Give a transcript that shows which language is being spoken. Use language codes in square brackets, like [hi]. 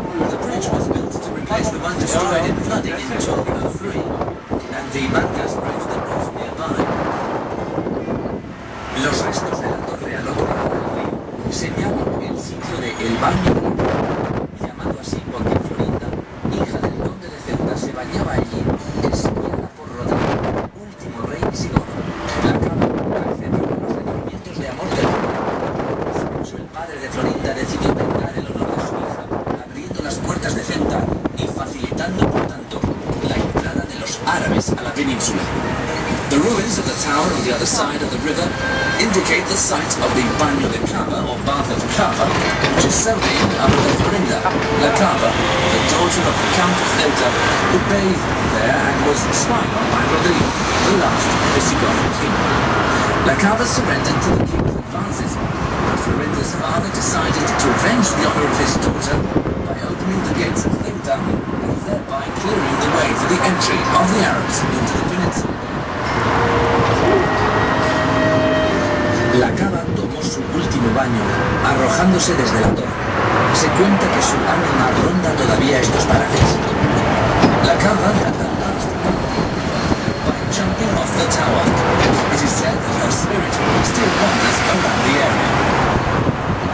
[en] The bridge was built to replace the one destroyed in flooding in 1203, and the Barcas bridge that was nearby. [es] Los restos de la torre al otro lado del río señalan el sitio de El Baño, llamado así porque Florinda, hija del conde de Ceuta, se bañaba allí, espiada por Rodrigo, último rey visigodo. La cama accedió a los sentimientos de amor del rey. Incluso el padre de Florinda decidió vengar el honor de su hija, abriendo las puertas de Ceuta y facilitando, por tanto, la entrada de los árabes a la península. [en] The ruins of the tower on the other side of the river indicate the site of the Baño de Cava, or Bath of Cava, which is so named after Florinda, La Cava, the daughter of the Count of Ceuta, who bathed there and was spied on by Rodrigo, the last Visigoth king. La Cava surrendered to the king's advances, but Florinda's father decided to avenge the honor of his daughter by opening the gates of Ceuta and thereby clearing the way for the entry of the Arabs into the peninsula. [es] La Cava tomó su último baño, arrojándose desde la torre. Se cuenta que su ánima ronda todavía estos parajes. [en] La Cava had her last by jumping off the tower. It is said that her spirit still wanders around the area.